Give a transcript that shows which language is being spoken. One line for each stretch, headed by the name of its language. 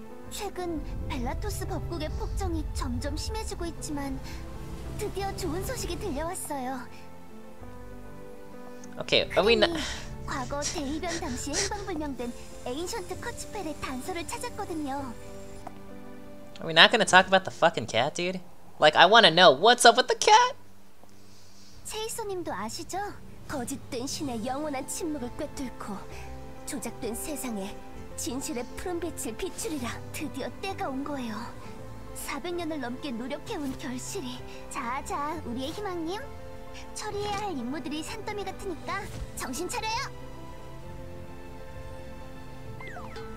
Korean: 최근 벨라토스 법국의 폭정이 점점 심해지고 있지만 드디어 좋은 소식이 들려왔어요.
English: 오케이, okay, are we not...
Korean: 과거 대이변 당시에 행방불명된 에인션트 커츠펠의 단서를 찾았거든요.
English: Are we not gonna talk about the fucking cat, dude? Like, I wanna know what's up with the cat?
Korean: 체이소님도 아시죠? 거짓된 신의 영원한 침묵을 꿰뚫고 조작된 세상에 진실의 푸른빛을 비추리라 드디어 때가 온 거예요. 400년을 넘게 노력해온 결실이 자자 우리의 희망님 처리해야 할 임무들이 산더미 같으니까 정신 차려요.